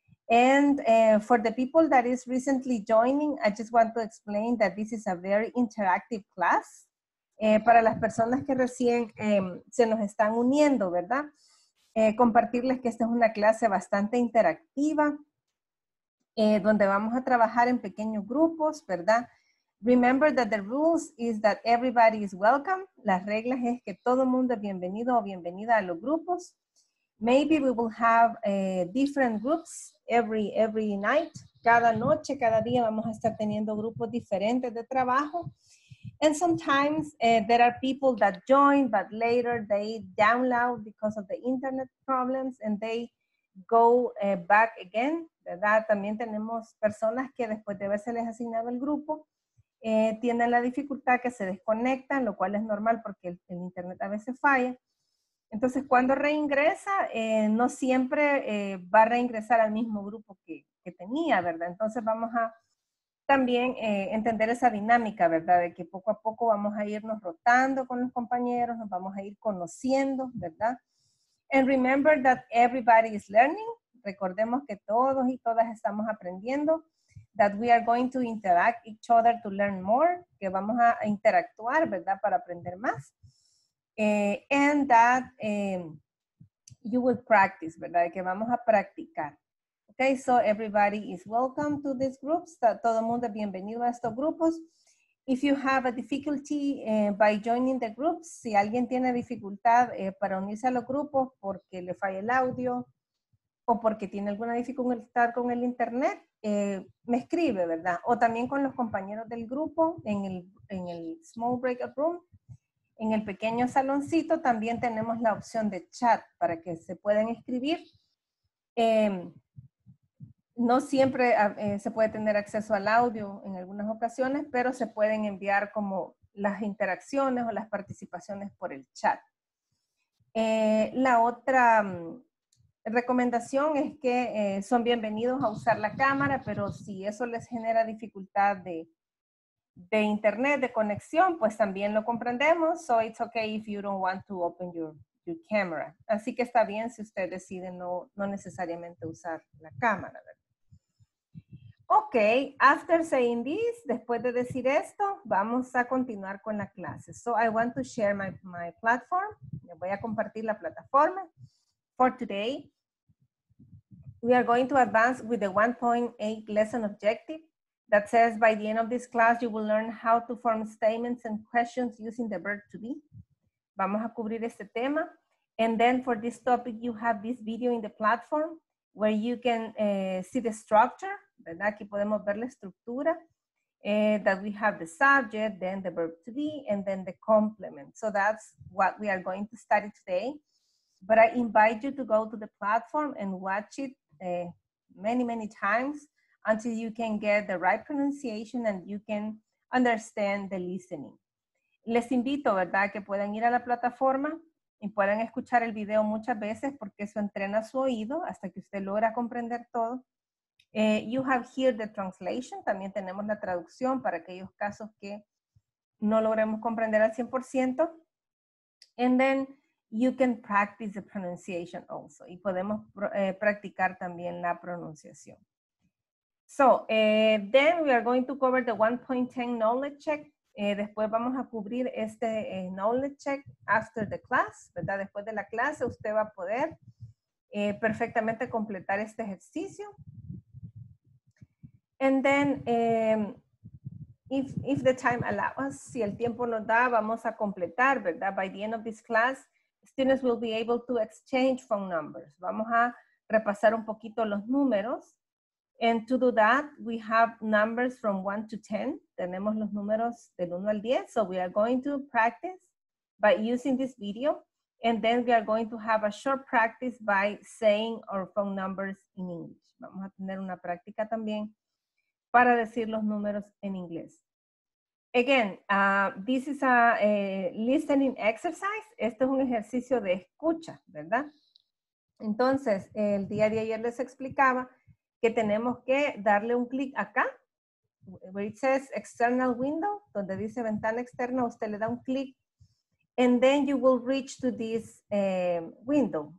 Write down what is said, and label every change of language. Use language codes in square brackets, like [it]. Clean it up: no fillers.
[en] And for the people that is recently joining, I just want to explain that this is a very interactive class. [es] Para las personas que recién se nos están uniendo, ¿verdad? Compartirles que esta es una clase bastante interactiva, donde vamos a trabajar en pequeños grupos, ¿verdad? [en] Remember that the rules is that everybody is welcome. [es] Las reglas es que todo mundo es bienvenido o bienvenida a los grupos. [en] Maybe we will have different groups every night. [es] Cada noche, cada día vamos a estar teniendo grupos diferentes de trabajo. [en] And sometimes there are people that join, but later they download because of the internet problems and they go back again. [es] ¿Verdad? También tenemos personas que después de haberse les asignado el grupo, tienen la dificultad que se desconectan, lo cual es normal porque el internet a veces falla. Entonces, cuando reingresa, no siempre va a reingresar al mismo grupo que tenía, ¿verdad? Entonces, vamos a también entender esa dinámica, ¿verdad? De que poco a poco vamos a irnos rotando con los compañeros, nos vamos a ir conociendo, ¿verdad? [en] And remember that everybody is learning. [es] Recordemos que todos y todas estamos aprendiendo. [en] That we are going to interact each other to learn more, [es] que vamos a interactuar, ¿verdad? Para aprender más. [en] And that you will practice, ¿verdad? [es] Que vamos a practicar. [en] Okay, so everybody is welcome to these groups. [es] Todo el mundo es bienvenido a estos grupos. [en] If you have a difficulty by joining the groups, [es] si alguien tiene dificultad para unirse a los grupos porque le falla el audio o porque tiene alguna dificultad con el internet, me escribe, ¿verdad? O también con los compañeros del grupo en el small breakout room, en el pequeño saloncito, también tenemos la opción de chat para que se puedan escribir. No siempre se puede tener acceso al audio en algunas ocasiones, pero se pueden enviar como las interacciones o las participaciones por el chat. La otra recomendación es que son bienvenidos a usar la cámara, pero si eso les genera dificultad de internet, de conexión, pues también lo comprendemos. [en] So it's okay if you don't want to open your camera. [es] Así que está bien si usted decide no necesariamente usar la cámara, ¿verdad? [en] Okay, after saying this, [es] después de decir esto, vamos a continuar con la clase. [en] So I want to share my platform. [es] Me voy a compartir la plataforma. [en] For today, we are going to advance with the 1.8 lesson objective that says by the end of this class, you will learn how to form statements and questions using the verb to be. [es] Vamos a cubrir este tema. [en] And then for this topic, you have this video in the platform where you can see the structure. ¿Verdad? [es] Aquí podemos ver la estructura, [en] that we have the subject, then the verb to be, and then the complement. So that's what we are going to study today. But I invite you to go to the platform and watch it many, many times until you can get the right pronunciation and you can understand the listening. [es] Les invito, ¿verdad?, que puedan ir a la plataforma y puedan escuchar el video muchas veces porque eso entrena su oído hasta que usted logra comprender todo. [en] You have here the translation, [es] también tenemos la traducción para aquellos casos que no logremos comprender al 100%. [en] And then you can practice the pronunciation also. [es] Y podemos practicar también la pronunciación. [en] So, then we are going to cover the 1.10 knowledge check. [es] Después vamos a cubrir este knowledge check [en] after the class, [es] ¿verdad? Después de la clase usted va a poder perfectamente completar este ejercicio. [en] And then, if the time allows, [es] si el tiempo nos da, vamos a completar, ¿verdad? [en] By the end of this class, students will be able to exchange phone numbers. [es] Vamos a repasar un poquito los números. [en] And to do that, we have numbers from 1 to 10. [es] Tenemos los números del 1 al 10. [en] So we are going to practice by using this video. And then we are going to have a short practice by saying our phone numbers in English. [es] Vamos a tener una práctica también para decir los números en inglés. [en] Again, this is a listening exercise. [es] Esto es un ejercicio de escucha, ¿verdad? Entonces, el día de ayer les explicaba que tenemos que darle un clic acá, [en] where it says external window, [es] donde dice ventana externa, usted le da un clic, [en] and then you will reach to this window.